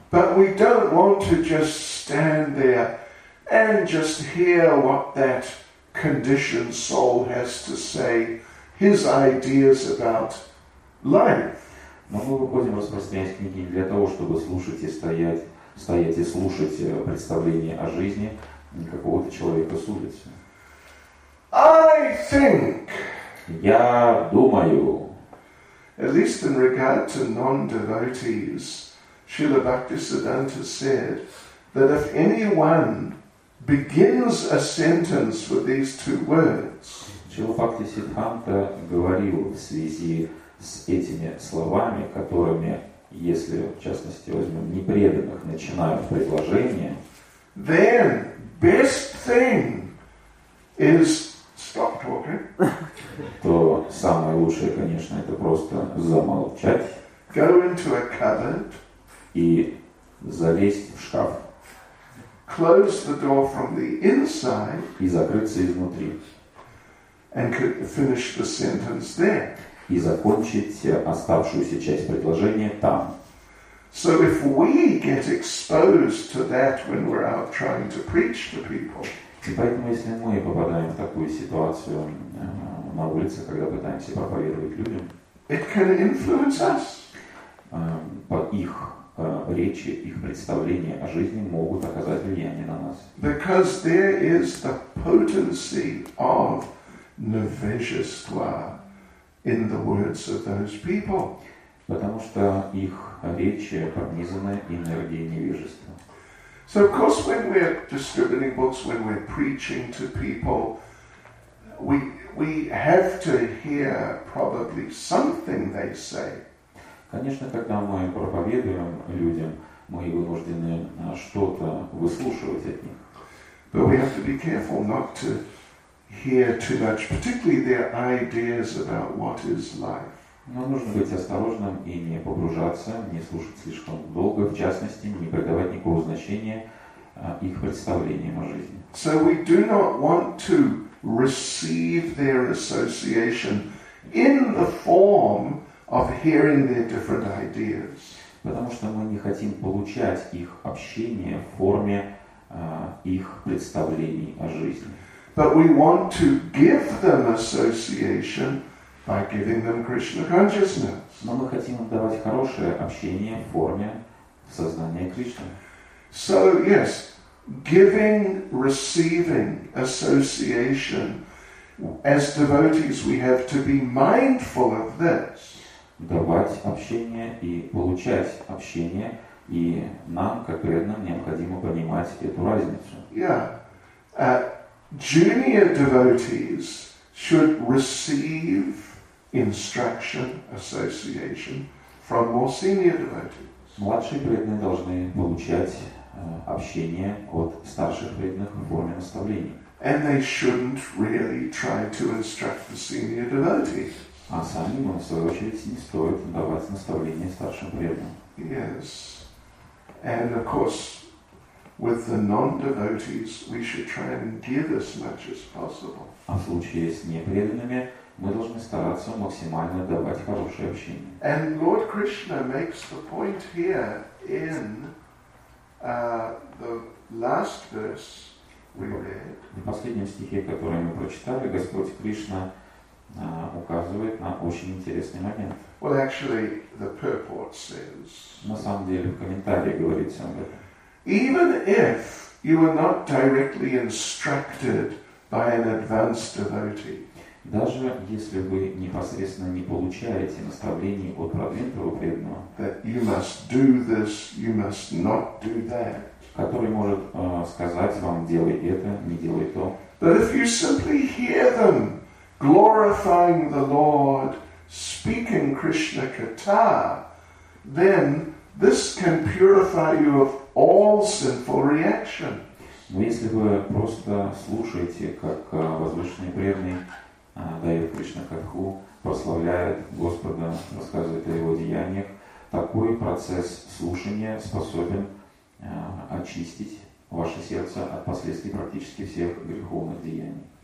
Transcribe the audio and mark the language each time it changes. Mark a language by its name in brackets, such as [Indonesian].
[English] But we don't want to just stand there and just hear what that conditioned soul has to say, his ideas about life. [Russian] Но мы выходим распространять книги для того, чтобы слушать и стоять и слушать представление о жизни какого-то человека с улицы. [English] I think. [Russian] Я думаю. [English] At least in regard to non-devotees, Srila Bhaktisiddhanta said that if anyone begins a sentence with these two words, [Russian] Srila Bhaktisiddhanta говорил в связи с этими словами, которыми, если в частности возьмем непреданных, начинают предложение, [English] then best thing is stop talking. [Russian] То самое лучшее, конечно, это просто замолчать. [English] Go into a cupboard. [Russian] И залезть в шкаф. [English] Close the door from the inside. [Russian] И закрыться изнутри. [English] And finish the sentence there. [Russian] И закончить оставшуюся часть предложения там. [English] So if we get exposed to that when we're out trying to preach to people. [Russian] И поэтому, если мы попадаем в такую ситуацию на улице, когда пытаемся проповедовать людям, [English] it can influence us. [Russian] По их речи, их представления о жизни могут оказать влияние на нас. [English] Because there is the potency of невежество in the words of those people. [Russian] Потому что их речи пронизаны энергией невежества. [English] So of course when we're distributing books, when we're preaching to people, we have to hear probably something they say. [Russian] Конечно, когда мы проповедуем людям, мы вынуждены что-то выслушивать от них. [English] But we have to be careful not to hear too much, particularly their ideas about what is life. [Russian] Но нужно быть осторожным и не погружаться, не слушать слишком долго, в частности, не придавать никакого значения их представлениям о жизни. [English] So we do not want to receive their association in the form of hearing their different ideas. [Russian] Потому что мы не хотим получать их общение в форме их представлений о жизни. [English] But we want to give them association by giving them Krishna consciousness. [Russian] Но мы хотим им давать хорошее общение в форме сознания Кришны. [English] So, yes, giving, receiving, association, as devotees we have to be mindful of this. [Russian] Давать общение и получать общение, и нам, как преданным, необходимо понимать эту разницу. [English] Yeah. Junior devotees should receive instruction, association from more senior devotees. [Russian] Младшие преданные должны получать общение от старших преданных в форме наставления. [English] And they shouldn't really try to instruct the senior devotees. [Russian] А самим, в свою очередь, не стоит давать наставления старшим преданным. [English] Yes. And of course, with the non-devotees, we should try and give as much as possible. [Russian] А в случае с непреданными, мы должны стараться максимально давать хорошее общение. [English] And Lord Krishna makes the point here in the last verse we read. [Russian] В последнем стихе, который мы прочитали, Господь Кришна указывает на очень интересный момент. [English] Well, actually, the purport says. [Russian] На самом деле, в комментарии говорится об этом. [English] Even if you are not directly instructed by an advanced devotee. [Russian] Даже если вы непосредственно не получаете наставлений от продвинутого преданного, [English] that you must do this, you must not do that, [Russian] который может сказать вам, делай это, не делай то. [English] But if you simply hear them glorifying the Lord, speaking Krishna Katha, then this can purify you of all sinful reaction. [Russian] Но если вы просто слушаете, как возвышенные преданные дает Кришна Катху, прославляет Господа, рассказывает о Его деяниях, такой процесс слушания способен очистить ваше сердце от последствий практически всех греховных деяний.